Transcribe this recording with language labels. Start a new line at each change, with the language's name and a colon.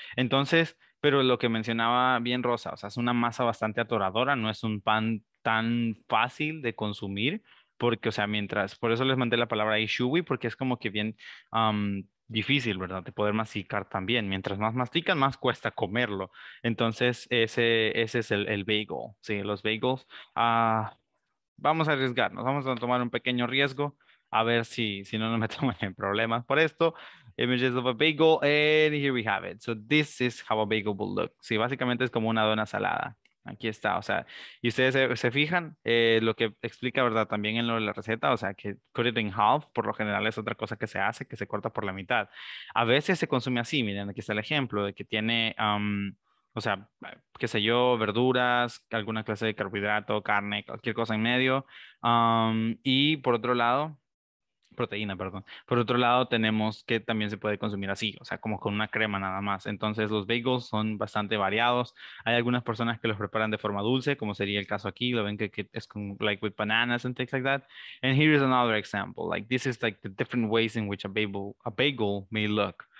Spanish: Entonces, pero lo que mencionaba bien Rosa, o sea, es una masa bastante atoradora, no es un pan tan fácil de consumir, porque, o sea, mientras, por eso les mandé la palabra ahí, chewy, porque es como que bien difícil, ¿verdad?, de poder masticar también. Mientras más mastican, más cuesta comerlo. Entonces, ese es el bagel, sí, los bagels. Vamos a arriesgarnos, vamos a tomar un pequeño riesgo, a ver si no nos metemos en problemas por esto.
English: Images of a bagel, and here we have it. So this is how a bagel will look.
Spanish: Sí, básicamente es como una dona salada. Aquí está, o sea, y ustedes se fijan, lo que explica, ¿verdad?, también en lo de la receta, o sea, que
English: cut it in half,
Spanish: por lo general es otra cosa que se hace, que se corta por la mitad. A veces se consume así, miren, aquí está el ejemplo, de que tiene, o sea, qué sé yo, verduras, alguna clase de carbohidrato, carne, cualquier cosa en medio. Y por otro lado, proteína, perdón. Por otro lado, tenemos que también se puede consumir así, o sea, como con una crema nada más. Entonces, los bagels son bastante variados. Hay algunas personas que los preparan de forma dulce, como sería el caso aquí. Lo ven que es con,
English: like, with bananas and things like that. And here is another example. Like, this is, like, the different ways in which a bagel may look.